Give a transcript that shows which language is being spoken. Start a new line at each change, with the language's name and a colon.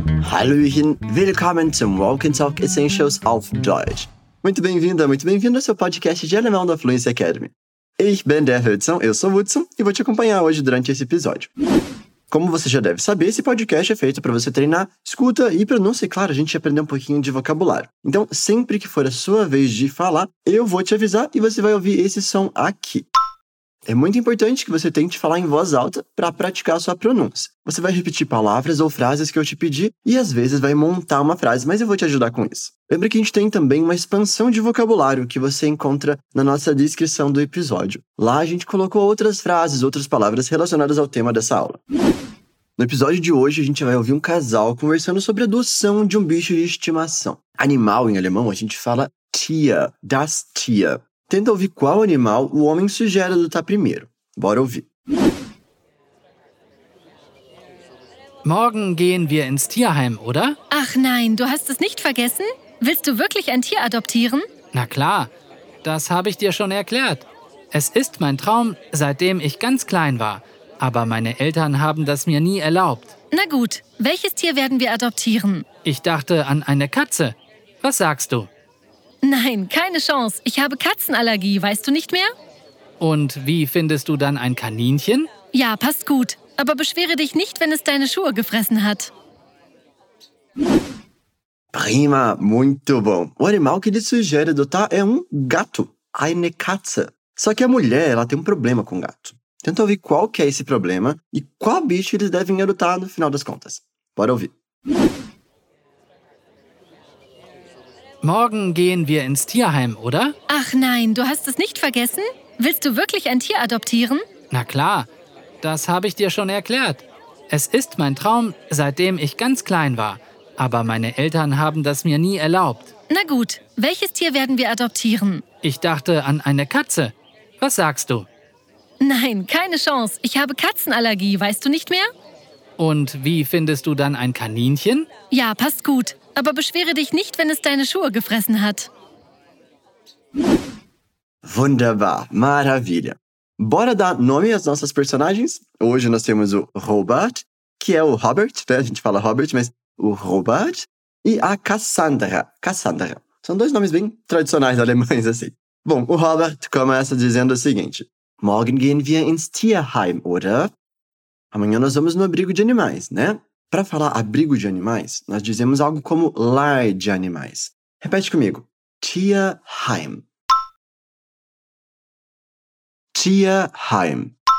German: Hallöchen, willkommen zum Walking Talk Essentials auf Deutsch.
Portuguese: Muito bem-vinda, muito bem-vindo ao seu podcast de alemão da Fluency Academy.
German: Ich bin der Hudson,
Portuguese: eu sou o Hudson e vou te acompanhar hoje durante esse episódio. Como você já deve saber, esse podcast é feito para você treinar, escuta e pronúncia, e claro, a gente aprender um pouquinho de vocabulário. Então, sempre que for a sua vez de falar, eu vou te avisar e você vai ouvir esse som aqui. É muito importante que você tente falar em voz alta para praticar a sua pronúncia. Você vai repetir palavras ou frases que eu te pedi e às vezes vai montar uma frase, mas eu vou te ajudar com isso. Lembra que a gente tem também uma expansão de vocabulário que você encontra na nossa descrição do episódio. Lá a gente colocou outras frases, outras palavras relacionadas ao tema dessa aula. No episódio de hoje, a gente vai ouvir um casal conversando sobre a adoção de um bicho de estimação. Animal, em alemão, a gente fala Tier, das Tier. Tenta ouvir qual animal o homem sugere adotar primeiro. Bora ouvir.
German: Morgen gehen wir ins Tierheim, oder? Ach nein, du hast es nicht vergessen? Willst du wirklich ein Tier adoptieren? Na klar, das habe ich dir schon erklärt. Es ist mein Traum, seitdem ich ganz klein war. Aber meine Eltern haben das mir nie erlaubt. Na gut, welches Tier werden wir adoptieren? Ich dachte an eine Katze. Was sagst du? Nein, keine Chance. Ich habe Katzenallergie, weißt du nicht mehr? Und wie findest du dann ein Kaninchen? Ja, passt gut. Aber beschwere dich nicht, wenn es deine Schuhe gefressen hat.
Portuguese: Prima, muito bom. O animal que ele sugere adotar é gato.
German: Eine Katze.
Portuguese: Só que a mulher, ela tem problema com gato. Tenta ouvir qual que é esse problema e qual bicho eles devem adotar no final das contas. Bora ouvir.
German: Morgen gehen wir ins Tierheim, oder? Ach nein, du hast es nicht vergessen? Willst du wirklich ein Tier adoptieren? Na klar, das habe ich dir schon erklärt. Es ist mein Traum, seitdem ich ganz klein war. Aber meine Eltern haben das mir nie erlaubt. Na gut, welches Tier werden wir adoptieren? Ich dachte an eine Katze. Was sagst du? Nein, keine Chance. Ich habe Katzenallergie, weißt du nicht mehr? Und wie findest du dann ein Kaninchen? Ja, passt gut. Aber beschwere dich nicht, wenn es deine Schuhe gefressen hat.
Portuguese: Wunderbar, maravilha. Bora dar nome às nossas personagens. Hoje nós temos o Robert, que é o Robert, né? A gente fala Robert, mas o Robert. E a Cassandra, Cassandra. São dois nomes bem tradicionais alemães, assim. Bom, o Robert começa dizendo o seguinte.
German: Morgen gehen wir ins Tierheim, oder?
Portuguese: Amanhã nós vamos no abrigo de animais, né? Para falar abrigo de animais, nós dizemos algo como lar de animais. Repete comigo.
German: Tierheim. Tierheim.